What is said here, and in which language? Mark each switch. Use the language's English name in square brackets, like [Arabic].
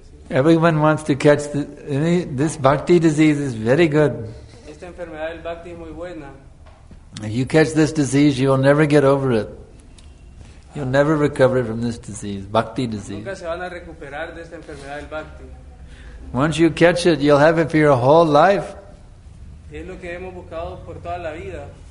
[English] Everyone wants to catch this bhakti disease is very good. [Spanish] Esta enfermedad del bhakti es muy buena. [English] If you catch this disease, you will never get over it. You'll never recover from this disease, bhakti disease. [Spanish] Nunca se van a recuperar de esta enfermedad del bhakti. [English] Once you catch it, you'll have it for your whole life. [Spanish] Es lo que hemos buscado por toda la vida.